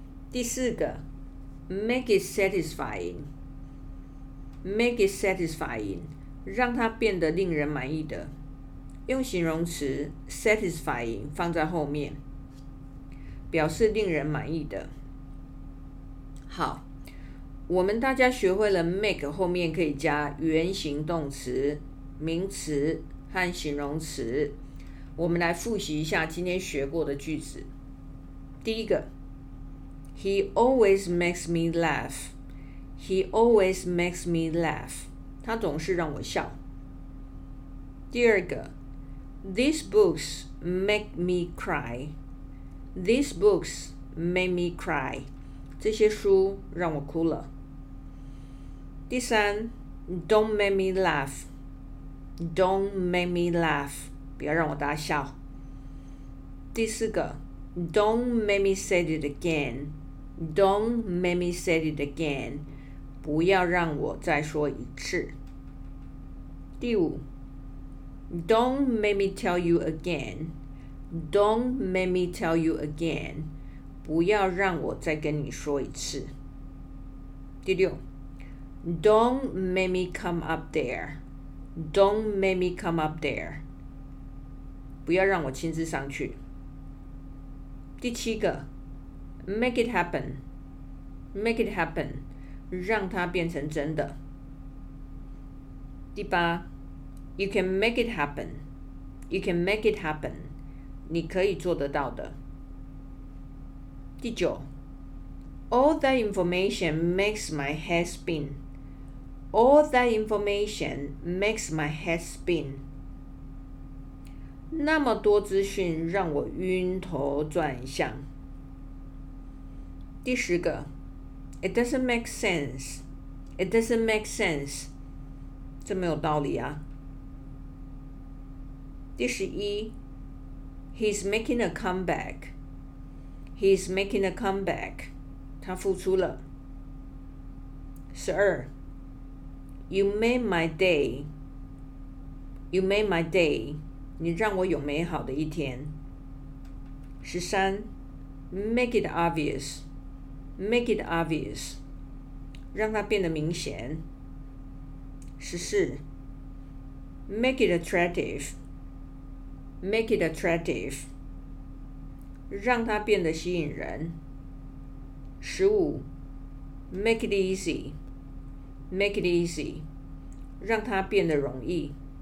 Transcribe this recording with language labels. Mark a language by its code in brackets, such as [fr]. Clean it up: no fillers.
[zh] 第四个 ， [en] make it satisfying， [zh] make it satisfying， 让它变得令人满意的，用形容词 satisfying 放在后面，表示令人满意的。好，我们大家学会了 make 后面可以加原形动词、名词和形容词。我们来复习一下今天学过的句子。第一个。 [en] He always makes me laugh. He always makes me laugh. [zh] 他总是让我笑。第二个 [en] ，These books make me cry. These books make me cry. [zh] 这些书让我哭了。第三 [en] ，Don't make me laugh. Don't make me laugh. [zh] 不要让我大笑。第四个 [en] ，Don't make me say it again. Don't make me say it again. [zh] 不要让我再说一次。第五 [en] ，Don't make me tell you again. Don't make me tell you again. [zh] 不要让我再跟你说一次。第六 [en] ，Don't make me come up there. Don't make me come up there. [zh] 不要让我亲自上去。第七个 [en] ，Make it happen. Make it happen， [zh] 让它变成真的。第八 [en] ，You can make it happen， You can make it happen， [zh] 你可以做得到的。第九 [en] ，All that information makes my head spin， All that information makes my head spin， [zh] 那么多资讯让我晕头转向。第十个。 [en] It doesn't make sense. It doesn't make sense. [zh] 这没有道理啊。第十一 [en] ，He's making a comeback. He's making a comeback. [zh] 他复出了。十二 [en] ，You made my day. You made my day. [zh] 你让我有美好的一天。十三 [en] ，Make it obvious. Make it obvious， [zh] 让它变得明显。十四 [en] ，Make it attractive， Make it attractive， [zh] 让它变得吸引人。十五 [en] ，Make it easy， Make it easy， [zh] 让它变得容易。